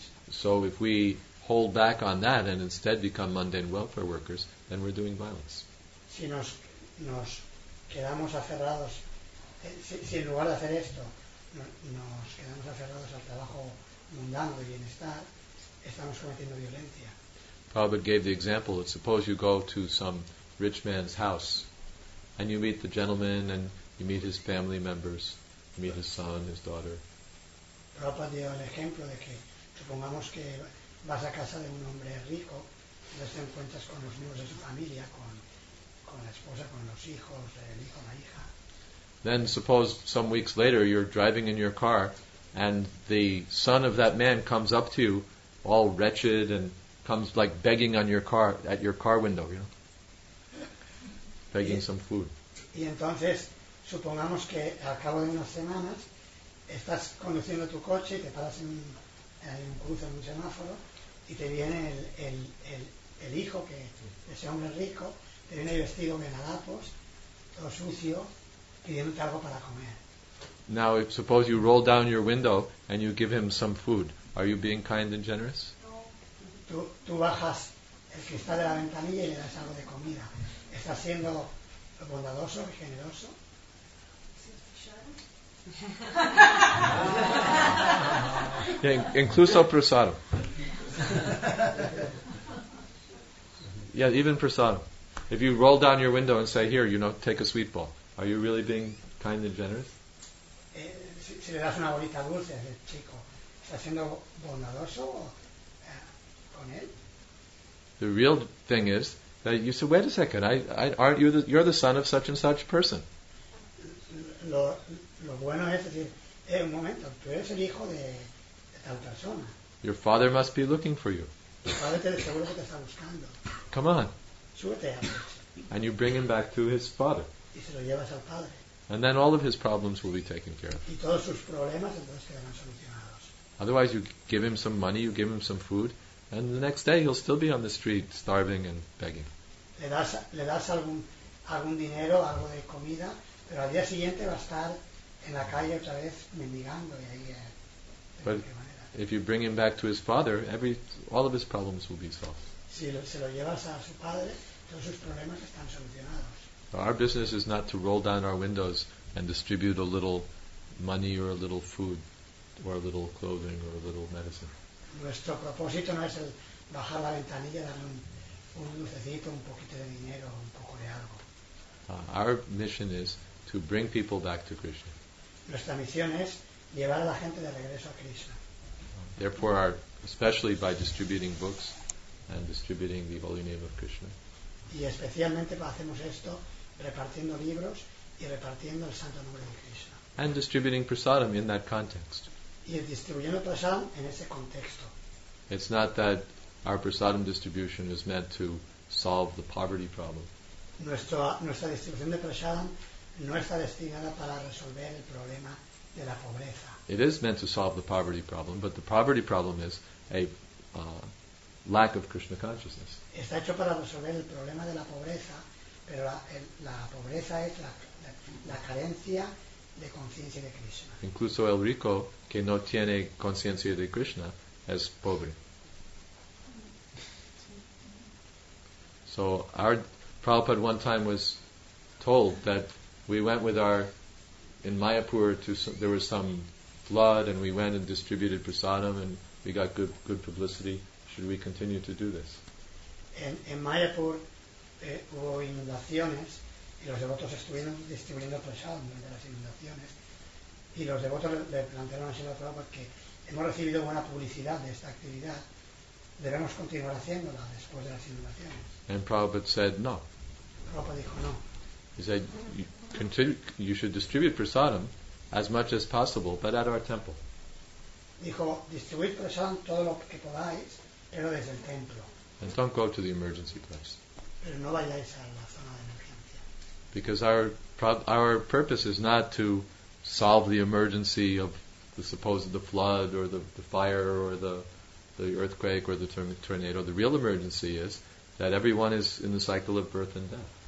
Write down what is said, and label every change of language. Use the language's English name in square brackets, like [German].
[English] So if we hold back on that and instead become mundane welfare workers, then we're doing violence. [Spanish] Si nos quedamos aferrados, si en lugar de hacer esto, nos quedamos aferrados al trabajo mundano de bienestar, estamos cometiendo violencia. [English] Prabhupada gave the example that suppose you go to some rich man's house and you meet the gentleman and you meet his family members, you meet his son, his daughter. [Spanish] Prabhupada dio el ejemplo de que supongamos que vas a casa de un hombre rico, entonces te encuentras con los miembros de su familia, con la esposa, con los hijos, el hijo, la hija. [English] Then suppose some weeks later you're driving in your car and the son of that man comes up to you all wretched and comes like begging on your car, at your car window, you know, begging some food. [Spanish] Y entonces supongamos que al cabo de unas semanas estás conduciendo tu coche y te paras en un cruce, en un semáforo, y te viene el hijo, que ese hombre rico, te viene vestido de harapos, todo sucio, pidiéndote algo para comer. [English] Now, if suppose you roll down your window and you give him some food, are you being kind and generous? [Spanish] Tú bajas el cristal de la ventanilla y le das algo de comida. ¿Estás siendo bondadoso y generoso? Yeah, incluso prasadam. [English] Yeah, even prasadam. If you roll down your window and say, here, you know, take a sweet ball, are you really being kind and generous? [Spanish] Si le das una bolita dulce al chico, ¿estás siendo bondadoso con él? [English] The real thing is that you say, wait a second, aren't you you're the son of such and such person. [Spanish] Lo bueno es decir, un momento, tú eres el hijo de tal persona. [English] Your father must be looking for you. [Spanish] Tu padre te seguro que te está buscando. [English] Come on. [Spanish] Súbete a mí. [English] And you bring him back to his father. [Spanish] Y se lo llevas al padre. [English] And then all of his problems will be taken care of. [Spanish] Y todos sus problemas entonces quedarán solucionados. [English] Otherwise you give him some money, you give him some food, and the next day he'll still be on the street starving and begging. [Spanish] Le das algún dinero, algo de comida, pero al día siguiente va a estar en la calle otra vez mendigando y ahí. [English] But if you bring him back to his father, all of his problems will be solved. [Spanish] Si se lo llevas a su padre, todos sus problemas están solucionados. [English] So our business is not to roll down our windows and distribute a little money or a little food or a little clothing or a little medicine. [Spanish] Nuestro propósito no es el bajar la ventanilla y darle un lucecito, un poquito de dinero, un poco de algo. [English] Our mission is to bring people back to Krishna. [Spanish] Nuestra misión es llevar a la gente de regreso a Krishna. [English] Therefore, especially by distributing books and distributing the holy name of Krishna. [Spanish] Y especialmente hacemos esto repartiendo libros y repartiendo el santo nombre de Krishna. [English] And distributing prasadam in that context. [Spanish] y el distribuyendo prasadam en ese contexto. [English] It's not that our prasadam distribution is meant to solve the poverty problem. [Spanish] Nuestra distribución de prasadam no está destinada para resolver el problema de la pobreza. [English] It is meant to solve the poverty problem, but the poverty problem is a lack of Krishna consciousness. [Spanish] Está hecho para resolver el problema de la pobreza, pero la pobreza es la carencia de conciencia de Krishna. Incluso el rico que no tiene conciencia de Krishna es pobre. [English] So our Prabhupada one time was told that we went with our in Mayapur to there was some flood and we went and distributed prasadam and we got good publicity. Should we continue to do this? [Spanish] En Mayapur hubo inundaciones y los devotos estuvieron distribuyendo prasadam durante las inundaciones y los devotos le plantearon a Srila Prabhupada que hemos recibido buena publicidad de esta actividad. Debemos continuar haciéndola después de las inundaciones. [English] And Prabhupada said no. [Spanish] Prabhupada dijo no. [English] He said, you should distribute prasadam as much as possible, but at our temple. [Spanish] Dijo, distribuid prasadam todo lo que podáis, pero desde el templo. [English] And don't go to the emergency place. [Spanish] Pero no vayáis a la zona de emergencia. [English] Because our purpose is not to solve the emergency of the supposed the flood or the fire or the earthquake or the tornado. The real emergency is that everyone is in the cycle of birth and death.